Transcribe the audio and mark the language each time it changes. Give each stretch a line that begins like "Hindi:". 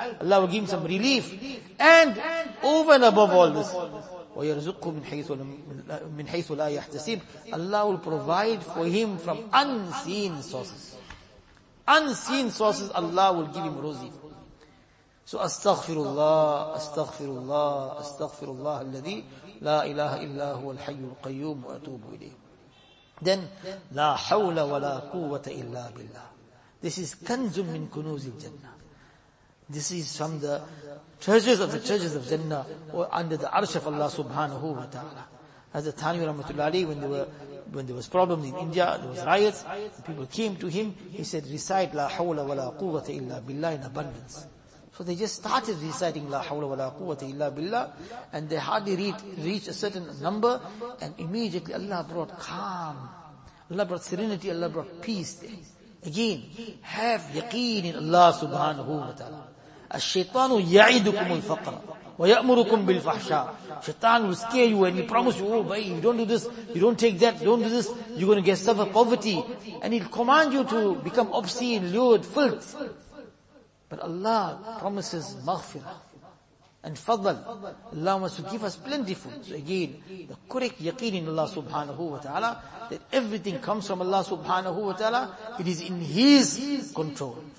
English: Allah will give him some relief. And over and above all this,
Arabic: وَيَرْزُقُهُ مِنْ حَيْثُ لَا يَحْتَسِبُ
English: Allah will provide for him from unseen sources. Unseen sources, Allah will give him rozi.
Arabic: So, astaghfirullah, astaghfirullah, astaghfirullah الَّذِي لَا إِلَهَ إِلَّا هُوَ الْحَيُّ الْقَيُّومُ وَأَتُوبُ إِلَيْهِ Then, لَا حَوْلَ وَلَا قُوَّةَ إِلَّا بِاللَّهِ
English: This is
Arabic: kanzum min kunuzi al-jannah.
English: This is from the treasures of the treasures of Jannah or under the arsh of Allah subhanahu wa ta'ala. As the Thani rahmatullahi alayhi, when there was problems in India, there was riots, people came to him, he said, recite la hawla wa la quwwata illa billah in abundance. So they just started reciting la hawla wa la quwwata illa billah and they hardly reached a certain number and immediately Allah brought calm. Allah brought serenity, Allah brought peace there. Again, have yaqeen in Allah subhanahu wa ta'ala.
Arabic: الشيطان يعيدكم الفقر ويأمركم بالفحشاء.
English: Shaitan will scare you and he promise you, oh boy, you don't do this, you don't take that, you don't do this, you're going to get suffer poverty. And he'll command you to become obscene, lewd, filth. But Allah promises maghfirah and fadl. Allah wants to give us plentiful. So again, the correct yaqeen in Allah subhanahu wa ta'ala, that everything comes from Allah subhanahu wa ta'ala, it is in His control.